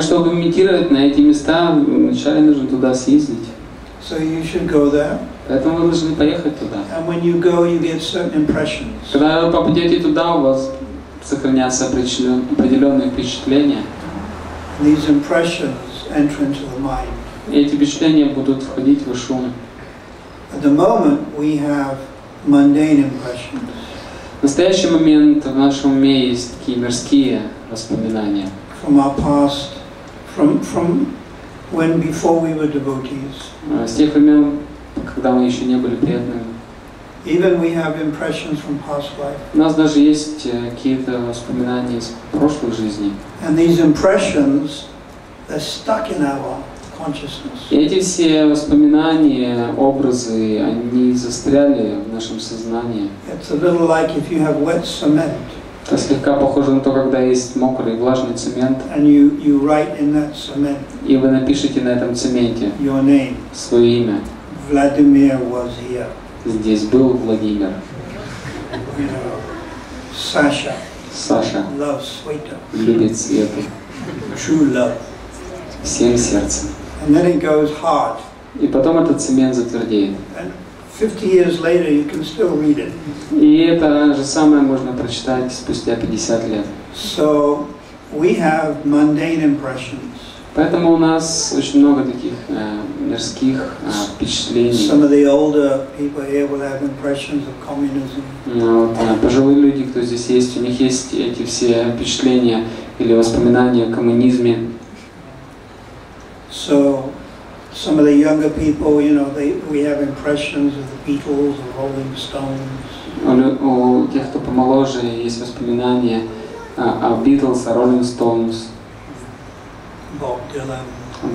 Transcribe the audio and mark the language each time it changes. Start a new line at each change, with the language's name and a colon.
Russian: чтобы медитировать на эти места, вначале нужно туда съездить.
English: So you should go there.
Russian: Поэтому вы должны поехать туда.
English: And when you go, you get certain impressions.
Russian: Когда вы попадете туда, у вас сохранятся определенные впечатления.
English: These impressions enter into the mind.
Russian: Эти впечатления будут входить в ваш ум.
English: At the moment we have mundane impressions.
Russian: В настоящий момент в нашем уме есть такие мирские воспоминания.
English: From our past, from when before we were devotees.
Russian: С тех времен, когда мы еще не были преданными.
English: Even we have impressions from past life.
Russian: У нас даже есть какие-то воспоминания из прошлых жизней.
English: And these impressions, they're stuck in our
Russian: И эти все воспоминания, образы, они застряли в нашем сознании.
English: It's a little like if you have wet cement.
Russian: Это слегка похоже на то, когда есть мокрый, влажный цемент.
English: And you write in that cement.
Russian: И вы напишите на этом цементе
English: your name.
Russian: Свое имя.
English: Vladimir was here.
Russian: Здесь был Владимир. Саша. Саша.
English: Loves sweeter.
Russian: Любит свету.
English: True love.
Russian: Всем сердцем.
English: And then it goes hard.
Russian: И потом этот цемент затвердеет.
English: And 50 years later you can still read it.
Russian: И это же самое можно прочитать спустя 50 лет.
English: So we have mundane impressions.
Russian: Поэтому у нас очень много таких мирских впечатлений.
English: Some of the older people here will have impressions of communism.
Russian: Пожилые люди, кто здесь есть, у них есть эти все впечатления или воспоминания о коммунизме.
English: So, some of the younger people, you know, we have impressions of the Beatles, the Rolling Stones.
Russian: У тех, кто помоложе, есть воспоминания о Beatles, о Rolling Stones.
English: Bob Dylan.